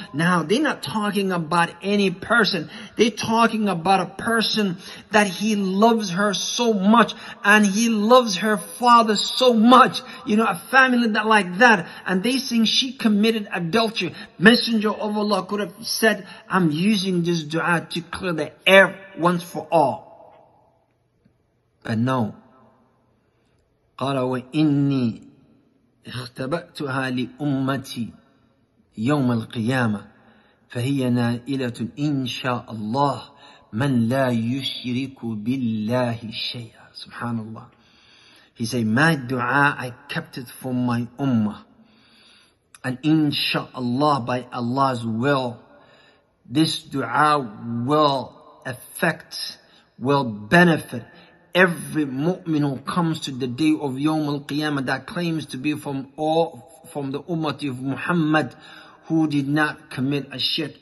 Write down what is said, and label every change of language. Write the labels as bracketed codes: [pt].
[en] Now, they're not talking about any person. They're talking about a person that he loves her so much, and he loves her father so much. You know, a family that like that. And they think she committed adultery. Messenger of Allah could have said, I'm using this dua to clear the air once for all. But no. [ar] قَالَ وَإِنِّي اختبأتها لأمتي يوم القيامة فهي نائلة إن شاء الله من لا يشرك بالله شيئا. سبحان الله. [en] He said, my dua I kept it for my ummah, and إن شاء الله, by Allah's will, this dua will affect, will benefit every mu'min who comes to the day of Yawm al-Qiyamah that claims to be from the ummah of Muhammad, who did not commit a shirk.